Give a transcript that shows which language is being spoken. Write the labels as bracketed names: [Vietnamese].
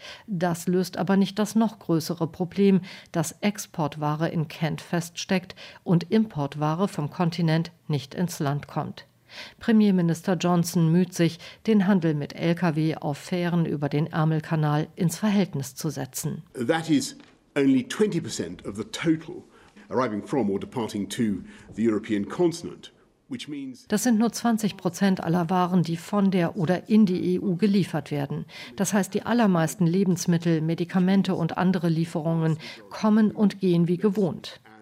[German] Das löst aber nicht das noch größere Problem, dass Exportware in Kent feststeckt und Importware vom Kontinent nicht ins Land kommt. Premierminister Johnson müht sich, den Handel mit Lkw auf Fähren über den Ärmelkanal ins Verhältnis zu setzen. [English] That is only 20% of the total arriving from or departing to the European continent. [German] Das sind nur 20% aller Waren, die von der oder in die EU geliefert werden. Das heißt, die allermeisten Lebensmittel, Medikamente und andere Lieferungen kommen und gehen wie gewohnt.